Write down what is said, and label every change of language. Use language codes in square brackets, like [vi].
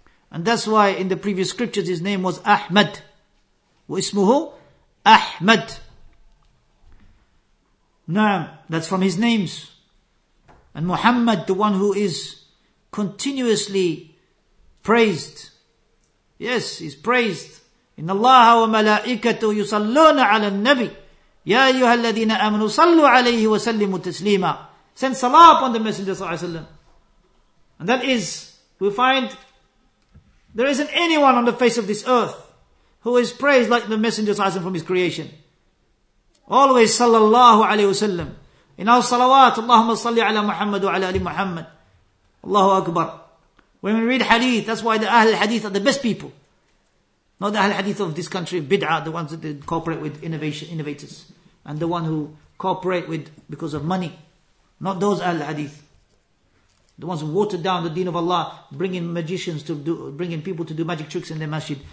[en] And that's why in the previous scriptures his name was Ahmad. Wismuhu Ahmad. Naam, that's from his names. And Muhammad, the one who is continuously praised. Yes, he's praised. [ar] إن الله وملائكته يصلون على النبي يا أيها الذين آمنوا صلوا عليه وسلموا تسليما. [en] Send salah upon the Messenger صلى الله عليه وسلم. And that is, we find there isn't anyone on the face of this earth who is praised like the Messenger صلى الله عليه وسلم from his creation. [ar] Always صلى الله عليه وسلم. [en] In our salawat, [ar] اللهم صل على محمد وعلى آل محمد. الله أكبر. [en] When we read hadith, that's why the Ahl hadith are the best people. Not the Ahl-Hadith of this country, bid'ah, the ones that cooperate with innovators. And the one who cooperate with, because of money. Not those Ahl-Hadith. The ones who watered down the deen of Allah, bringing magicians to do, bringing people to do magic tricks in their masjid.